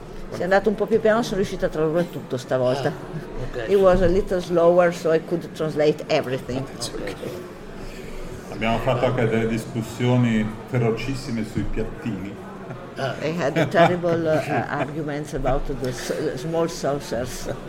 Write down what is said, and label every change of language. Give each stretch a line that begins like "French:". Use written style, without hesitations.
Italian: Se è andato un po' più piano, sono riuscita a tradurre tutto stavolta.
English: Okay. It was a little slower, so I could translate everything.
Italian: Abbiamo fatto anche delle discussioni ferocissime sui piattini.
English: They had terrible arguments about the small saucers.